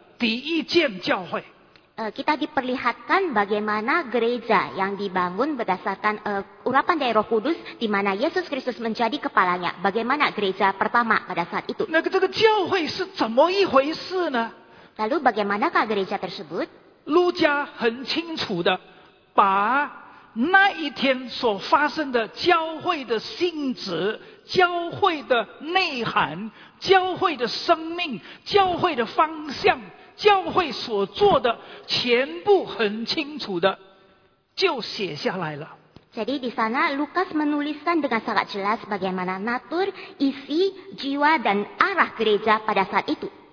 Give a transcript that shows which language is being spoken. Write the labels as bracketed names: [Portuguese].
[Chinese] 是圣灵产生教会，耶稣基督成为教会的头所建立的第一件教会。 [Indonesian] Kita diperlihatkan bagaimana gereja yang dibangun berdasarkan urapan dari Roh Kudus, di mana Yesus Kristus menjadi kepalanya. Bagaimana gereja pertama pada saat itu? [Chinese] 那个这个教会是怎么一回事呢？ [Indonesian] Lalu bagaimanakah gereja tersebut? [Chinese] 路加很清楚的把 那一天所发生的教会的性质、教会的内涵、教会的生命、教会所做的，全部很清楚的就写下来了。Jadi [Indonesian] di sana Lukas menuliskan dengan sangat jelas bagaimana natur, isi, jiwa dan arah gereja pada saat itu.